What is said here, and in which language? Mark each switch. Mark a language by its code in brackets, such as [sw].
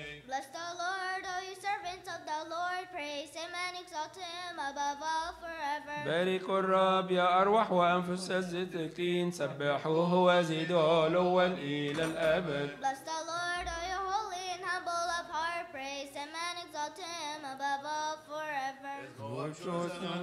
[en] Bless the Lord, O you servants of the Lord, praise him and exalt him above all forever. [ar] بارك الرب يا أرواح وأنفس الزكين سبحوه وزيدوا علوا إلى الأبد. [en] Bless the Lord, O you holy and humble of heart, praise him and exalt him above all forever.